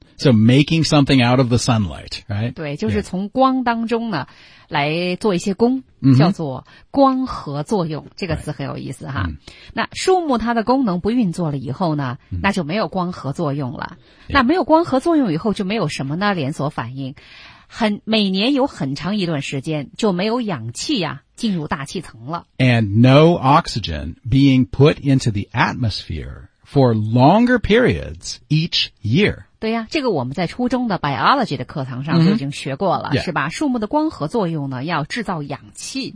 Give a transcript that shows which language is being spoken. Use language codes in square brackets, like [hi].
[en] So making something out of the sunlight, right? [zh] 对，就是从光当中呢，来做一些功，叫做光合作用。这个词很有意思哈。那树木它的功能不运作了以后呢，那就没有光合作用了。那没有光合作用以后，就没有什么呢？连锁反应。每年有很长一段时间就没有氧气呀进入大气层了。 [en] And no oxygen being put into the atmosphere for longer periods each year. [zh] 对呀、啊、这个我们在初中的 biology 的课堂上就已经学过了、 [en] mm-hmm. yeah. [zh] 是吧树木的光合作用呢要制造氧气。